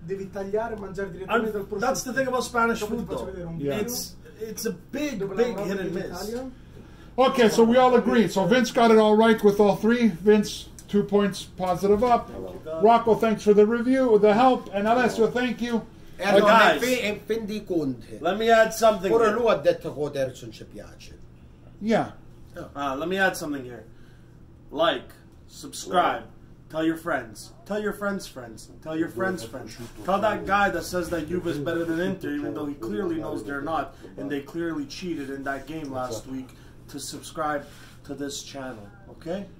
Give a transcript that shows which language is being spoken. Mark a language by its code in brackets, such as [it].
[en] That's the thing about Spanish food, though. Yeah. It's a big, big hit and miss. Okay, so we all agree. So Vince got it all right with all three. Vince... 2 points positive up. Hello. Rocco, thanks for the review, the help, and Alessio, thank you. And guys, let me add something. [it] Pure lui ha detto che terzo non ci piace. [en] Yeah. Let me add something here. Like, subscribe, tell your friends, tell your friends' friends, tell your friends' friends. Tell that guy that says that Juve is better than Inter, even though he clearly knows they're not, and they clearly cheated in that game last week, to subscribe to this channel, okay?